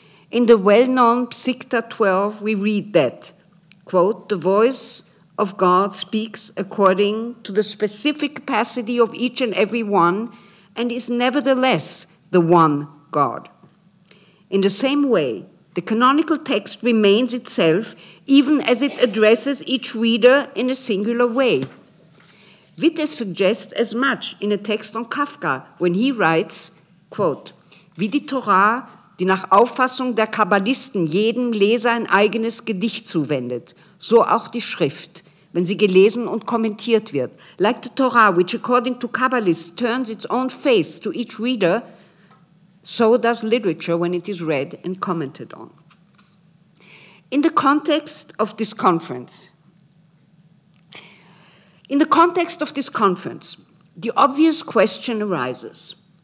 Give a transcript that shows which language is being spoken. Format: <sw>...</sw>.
<en>In the well-known Psikta 12, we read that, quote, the voice of God speaks according to the specific capacity of each and every one and is nevertheless the one God. In the same way, the canonical text remains itself even as it addresses each reader in a singular way. Witte suggests as much in a text on Kafka when he writes, quote,</en> <de>wie die Torah, die nach Auffassung der Kabbalisten jedem Leser ein eigenes Gedicht zuwendet, so auch die Schrift, wenn sie gelesen und kommentiert wird.</de> <en>Like the Torah, which according to Kabbalists turns its own face to each reader, so does literature when it is read and commented on. In the context of this conference, the obvious question arises.</en>